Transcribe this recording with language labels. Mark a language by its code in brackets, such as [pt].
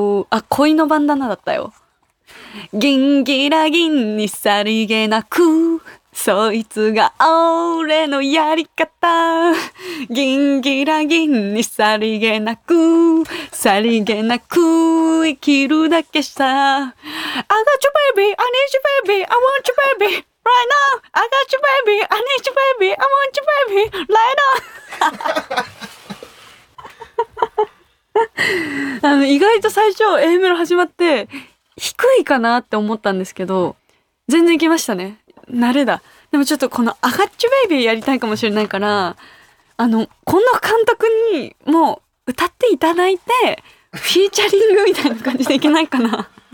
[ja] あ、恋のバンダナだったよ。ギンギラギンにさりげなく、そいつが俺のやり方。ギンギラギンにさりげなく、さりげなく生きるだけさ。 [en] I got you baby, I need you baby, I want you baby, right now. I got you baby, I need you baby, I want you baby, right now. [ja] 意外と最初 A メロ始まって低いかなって思ったんですけど、全然いけましたね。慣れだ。でもちょっとこのアガッチュベイビーやりたいかもしれないから、あの近藤監督にもう歌っていただいてフィーチャリングみたいな感じでいけないかな。